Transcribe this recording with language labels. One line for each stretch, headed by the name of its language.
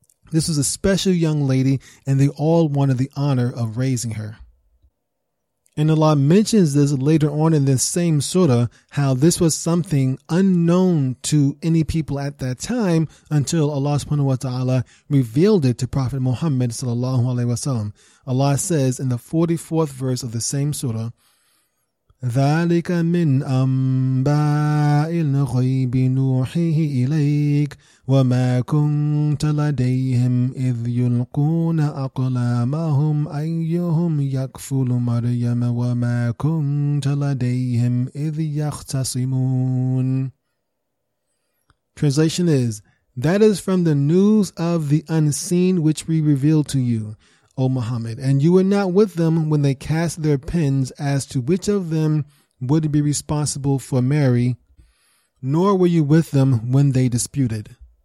English: This was a special young lady, and they all wanted the honor of raising her. And Allah mentions this later on in this same surah, how this was something unknown to any people at that time until Allah subhanahu wa ta'ala revealed it to Prophet Muhammad sallallahu alaihi wasallam. Allah says in the 44th verse of the same surah,
Arabic: ذَلِكَ مِنْ أَنْبَاءِ الْغَيْبِ نُوحِيهِ إِلَيْكَ وَمَا كُنْتَ لَدَيْهِمْ إِذْ يُلْقُونَ أَقْلَامَهُمْ أَيُّهُمْ يَكْفُلُ مَرْيَمَ وَمَا كُنْتَ لَدَيْهِمْ إِذْ يَخْتَصِمُونَ.
English: Translation is, that is from the news of the unseen which we reveal to you, O Muhammad, and you were not with them when they cast their pens as to which of them would be responsible for Mary, nor were you with them when they disputed.